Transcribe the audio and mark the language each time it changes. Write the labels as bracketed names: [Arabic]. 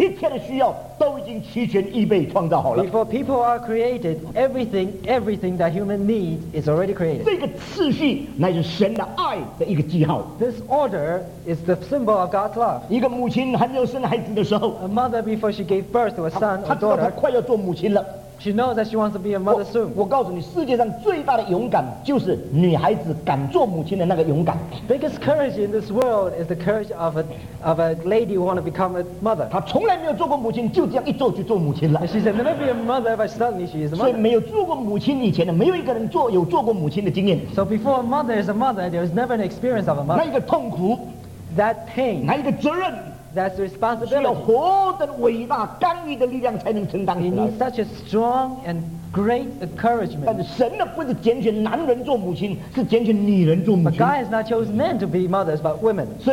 [Chinese] 在人没有被造以前，一切的一切，一切的需要都已经齐全预备创造好了。 [English] Before people are created, everything that human needs is already created. [Chinese] 这个次序乃是神的爱的一个记号。 [English] This order is the symbol of God's love. [Chinese] 一个母亲还没有生孩子的时候， [English] a mother before she gave birth to a son or daughter, [Chinese] 她知道她快要做母亲了。 [English] She knows that she wants to be a mother soon. [Chinese] 我告诉你，世界上最大的勇敢就是女孩子敢做母亲的那个勇敢。 [English] Biggest courage in this world is the courage of a lady who wants to become a mother. [Chinese] 她从来没有做过母亲，就这样一做就做母亲了。 [English] She said never be a mother, but suddenly she is a mother. [Chinese] 所以没有做过母亲以前的，没有一个人有做过母亲的经验。 [English] So before a mother is a mother, there is never an experience of a mother. [Chinese] 那一个痛苦， [English] that pain, [Chinese] 那一个责任， [English] that's responsibility. [Chinese] 需要活的伟大刚毅的力量才能承担起来。 [English] You need such a strong and great encouragement. [Chinese] 但是神呢，不是拣选男人做母亲，是拣选女人做母亲。 [English] But God has not chosen men to be mothers, but women.